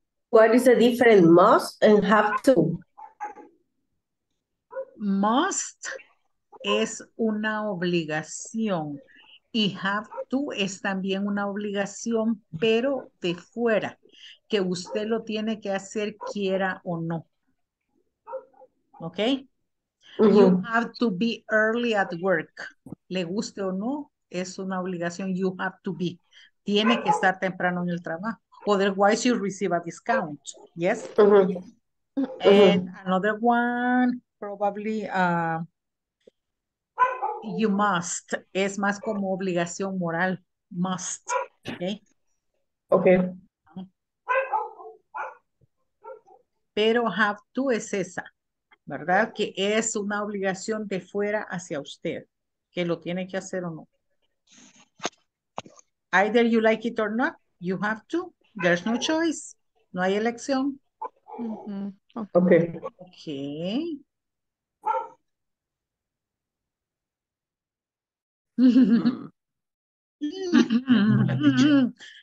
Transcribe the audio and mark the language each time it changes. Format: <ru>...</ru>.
<en>What is the difference, must and have to?</en> <es>Must es una obligación y have to es también una obligación, pero de fuera, que usted lo tiene que hacer quiera o no.</es> <en>Okay? Mm-hmm. You have to be early at work.</en> <es>Le guste o no, es una obligación.</es> <en>You have to be.</en> <es>Tiene que estar temprano en el trabajo.</es> <en>Otherwise, you receive a discount. Yes? Mm-hmm. And mm-hmm. Another one, probably, you must.</en> <es>Es más como obligación moral. Must. Okay?</es> <en>Okay.</en> <es>Pero have to es esa, ¿verdad? Que es una obligación de fuera hacia usted. Que lo tiene que hacer o no.</es> <en>Either you like it or not, you have to. There's no choice.</en> <es>No hay elección.</es> <en>Mm-hmm. Okay. Okay.</en>